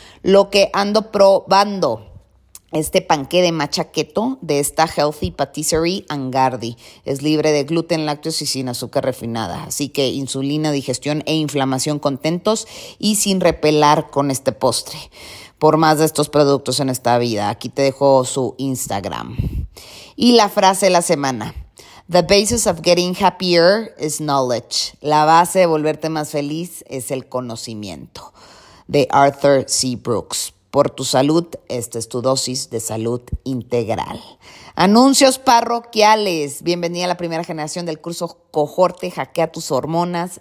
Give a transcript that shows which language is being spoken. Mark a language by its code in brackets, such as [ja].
[es] Lo que ando probando, este panqué de matcha keto de esta Healthy Patisserie Angardi es libre de gluten, lácteos y sin azúcar refinada. Así que insulina, digestión e inflamación contentos y sin repelar con este postre. Por más de estos productos en esta vida, aquí te dejo su Instagram. Y la frase de la semana. [en] The basis of getting happier is knowledge. [es] La base de volverte más feliz es el conocimiento. De Arthur C. Brooks. Por tu salud, esta es tu dosis de salud integral. Anuncios parroquiales. Bienvenida a la primera generación del curso Cohorte Hackea Tus Hormonas.